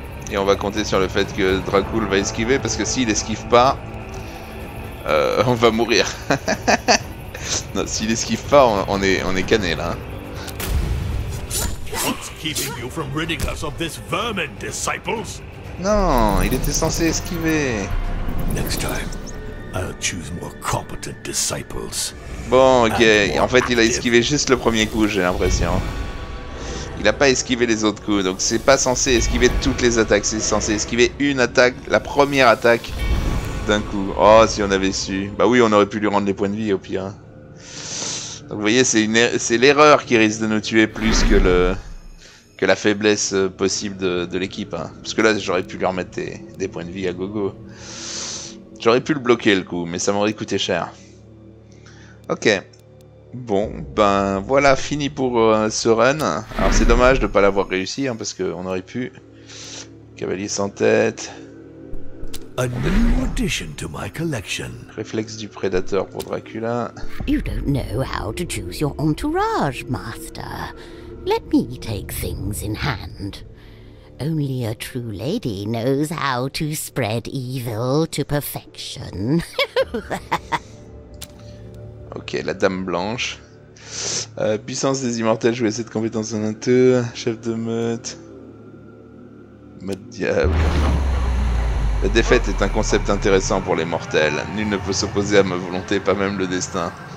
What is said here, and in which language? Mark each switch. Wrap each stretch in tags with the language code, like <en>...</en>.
<fr>Et on va compter sur le fait que Dracul va esquiver, parce que s'il esquive pas, on va mourir. Non, s'il esquive pas, on est cané là.</fr> <en>What's keeping you from ridding us of this vermin, disciples?</en> <fr>Non, il était censé esquiver.</fr> <en>Next time, I'll choose more competent disciples.</en> <fr>Bon, ok. En fait, il a esquivé juste le premier coup, j'ai l'impression. Il a pas esquivé les autres coups, donc c'est pas censé esquiver toutes les attaques, c'est censé esquiver une attaque, la première attaque d'un coup. Oh, si on avait su. Bah oui, on aurait pu lui rendre les points de vie au pire. Donc vous voyez, c'est l'erreur qui risque de nous tuer plus que la faiblesse possible de l'équipe. Hein. Parce que là, j'aurais pu lui remettre des points de vie à gogo. J'aurais pu le bloquer le coup, mais ça m'aurait coûté cher. Ok. Bon, ben voilà, fini pour ce run. Alors c'est dommage de ne pas l'avoir réussi, hein, parce qu'on aurait pu. Cavalier sans tête.</fr> <en>A new addition to my collection.</en> <fr>Réflexe du prédateur pour Dracula.</fr> <en>You don't know how to choose your entourage, master. Let me take things in hand. Only a true lady knows how to spread evil to perfection.</en> <fr>Ok, la dame blanche. Puissance des immortels, jouer cette compétence en un tour. Chef de meute. Meute diable. La défaite est un concept intéressant pour les mortels. Nul ne peut s'opposer à ma volonté, pas même le destin.</fr>